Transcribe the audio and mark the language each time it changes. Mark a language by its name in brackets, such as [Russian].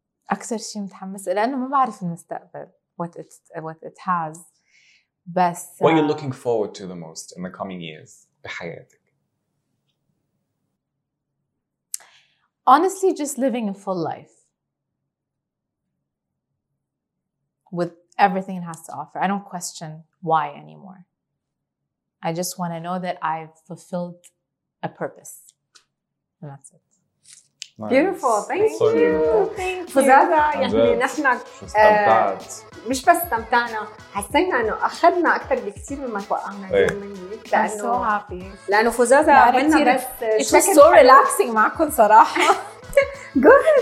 [Arabic] أكثر شيء متحمس لأنه ما بعرف المستقبل [English] what it has [Arabic] بس [English] what are you looking forward to the most in the coming years [Arabic] بحياتك [English] honestly just living a full life with everything it has to offer I don't question why anymore I just want to know that I've fulfilled a purpose and that's it Nice. Beautiful. Thank you. [Arabic] Fuzaza, يعني نحن مش بس استمتعنا حسينا انه اخذنا اكثر بكثير مما توقعنا منك لانه فوزازا عملنا بس شكل [English] so relaxing [Arabic] معكم صراحه [English] good